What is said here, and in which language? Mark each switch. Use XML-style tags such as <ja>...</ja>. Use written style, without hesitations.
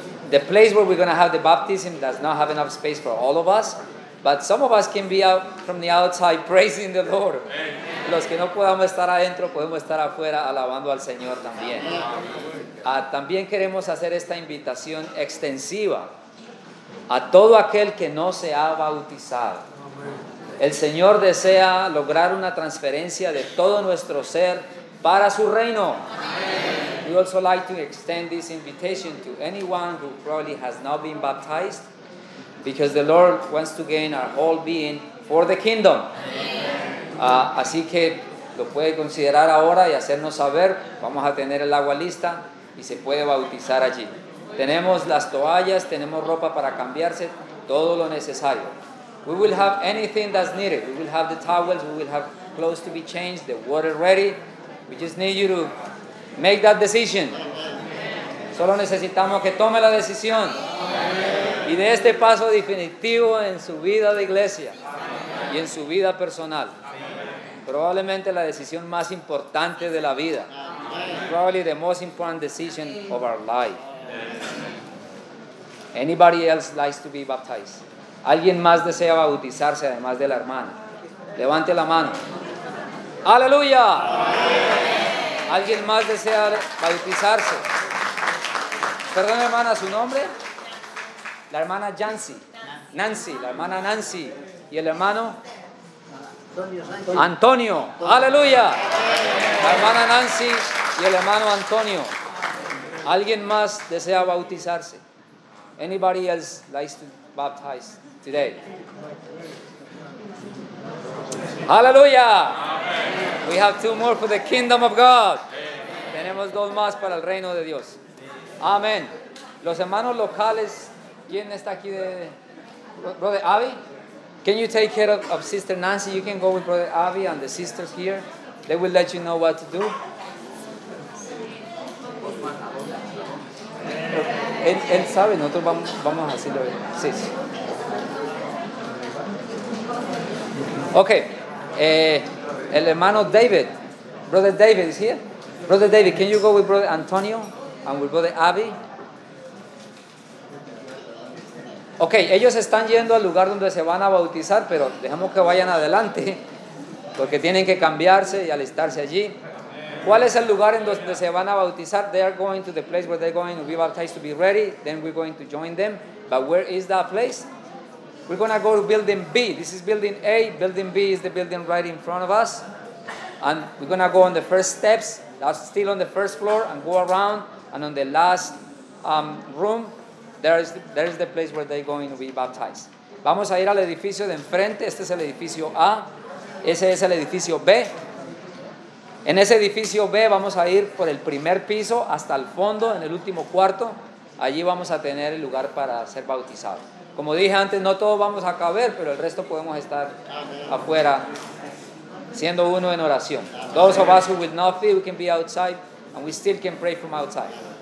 <en>The place where we're going to have the baptism does not have enough space for all of us. But some of us can be out from the outside praising the Lord. Amen.</en> <es>Los que no podamos estar adentro, podemos estar afuera alabando al Señor también. También queremos hacer esta invitación extensiva a todo aquel que no se ha bautizado. El Señor desea lograr una transferencia de todo nuestro ser para su reino. Amen.</es> <en>We also like to extend this invitation to anyone who probably has not been baptized, because the Lord wants to gain our whole being for the kingdom.</en> <es>Así que lo puede considerar ahora y hacernos saber. Vamos a tener el agua lista y se puede bautizar allí. Tenemos las toallas, tenemos ropa para cambiarse, todo lo necesario.</es> <en>We will have anything that's needed. We will have the towels, we will have clothes to be changed, the water ready. We just need you to make that decision.</en> <es>Solo necesitamos que tome la decisión. Y de este paso definitivo en su vida de iglesia y en su vida personal. Probablemente la decisión más importante de la vida.</es> <en>Probably the most important decision of our life. Anybody else likes to be baptized?</en> <es>¿Alguien más desea bautizarse además de la hermana? Levante la mano. ¡Aleluya! ¿Alguien más desea bautizarse? Perdón, hermana, ¿su nombre? La hermana Yancy. Nancy, la hermana Nancy. ¿Y el hermano? Antonio. ¡Aleluya! La hermana Nancy y el hermano Antonio. ¿Alguien más desea bautizarse?</es> <en>Anybody else likes to baptize today?</en> <es>¡Aleluya!</es> <en>We have two more for the kingdom of God. Amen.</en> <es>Tenemos dos más para el reino de Dios. Amén. Los hermanos locales, ¿quién está aquí de Brother Abby?</es> <en>Can you take care of Sister Nancy? You can go with Brother Abby and the sisters here. They will let you know what to do.</en> <es>Él sabe, nosotros vamos a hacerlo. Sí. Okay. El hermano David.</es> <en>Brother David is here. Brother David, can you go with Brother Antonio and with Brother Abby?</en> <es>Okay, ellos están yendo al lugar donde se van a bautizar, pero dejamos que vayan adelante porque tienen que cambiarse y alistarse allí. ¿Cuál es el lugar en donde se van a bautizar?</es> <en>They are going to the place where they're going to be baptized to be ready. Then we're going to join them. But where is that place? We're going to go to building B. This is building A. Building B is the building right in front of us. And we're going to go on the first steps. That's still on the first floor. And go around. And on the last room, there is the place where they're going to be baptized.</en> <es>Vamos a ir al edificio de enfrente. Este es el edificio A. Ese es el edificio B. En ese edificio B vamos a ir por el primer piso hasta el fondo, en el último cuarto. Allí vamos a tener el lugar para ser bautizado. Como dije antes, no todos vamos a caber, pero el resto podemos estar afuera siendo uno en oración.</es> <en>Those of us who will not fit, we can be outside, and we still can pray from outside.</en>